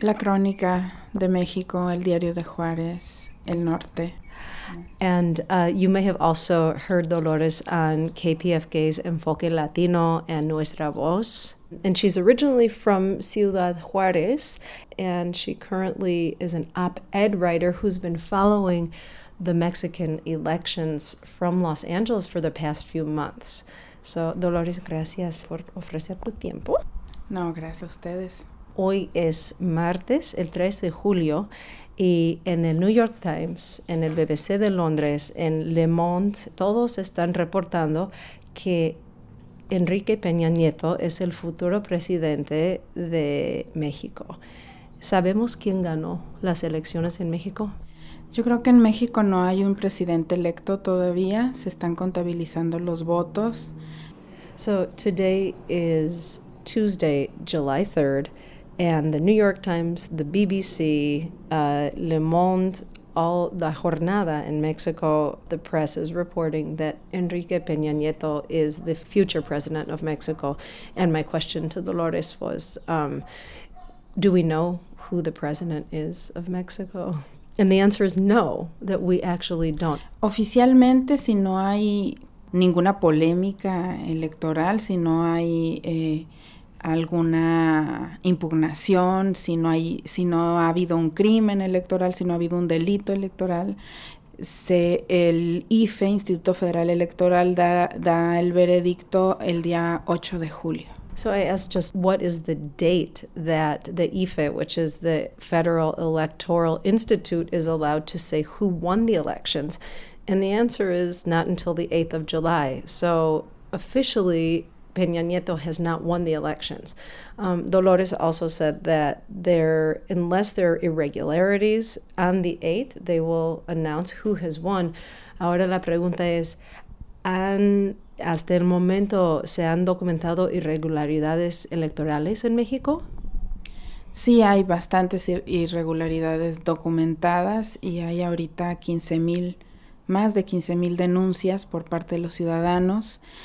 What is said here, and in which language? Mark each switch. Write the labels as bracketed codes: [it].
[es] La Crónica de México, El Diario de Juárez, El Norte. [en] And you may have also heard Dolores on KPFK's Enfoque Latino and Nuestra Voz. And she's originally from Ciudad Juárez, and she currently is an op-ed writer who's been following the Mexican elections from Los Angeles for the past few months. [es] So, Dolores, gracias por ofrecer tu tiempo. No, gracias a ustedes. Hoy es martes, el 3 de julio, y en el New York Times, en el BBC de Londres, en Le Monde, todos están reportando que Enrique Peña Nieto es el futuro presidente de México. ¿Sabemos quién ganó las elecciones en México? Yo creo que en México no hay un presidente electo todavía. Se están contabilizando los votos. [en] So today is Tuesday, July 3rd, and the New York Times, the BBC, Le Monde, all La Jornada in Mexico, the press is reporting that Enrique Peña Nieto is the future president of Mexico. And my question to Dolores was, do we know who the president is of Mexico? And the answer is no, that we actually don't. [es] Oficialmente, si no hay ninguna polémica electoral, si no hay alguna impugnación, si no ha habido un crimen electoral, si no ha habido un delito electoral, el IFE, Instituto Federal Electoral, da el veredicto el día 8 de julio. [en] So I asked just what is the date that the IFE, which is the Federal Electoral Institute, is allowed to say who won the elections? And the answer is not until the 8th of July. So officially, Peña Nieto has not won the elections. Dolores also said that unless there are irregularities on the 8th, they will announce who has won. [es] Ahora la pregunta es, ¿hasta el momento se han documentado irregularidades electorales en México? Sí, hay bastantes irregularidades documentadas y hay ahorita más de 15,000 denuncias por parte de los ciudadanos.